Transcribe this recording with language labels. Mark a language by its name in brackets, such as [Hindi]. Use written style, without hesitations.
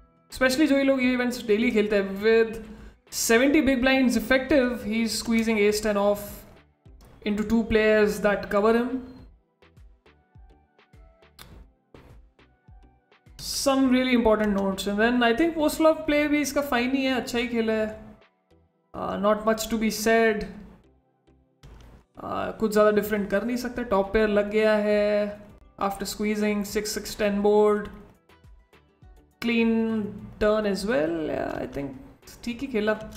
[English] Especially [Hindi] jo log ye events daily khelte hai [English] with 70 big blinds effective, he's squeezing A10 off into two players that cover him. Some really important notes, and then I think post-flop play [Hindi] bhi iska fine hi hai, achha hi khela hai. [English] not much to be said, [Hindi] कुछ ज़्यादा different कर नहीं सकते. [English] top pair [Hindi] लग गया है [English] After squeezing 6-6-10 board. Clean turn as well, I think [Hindi] ठीक ही खेला.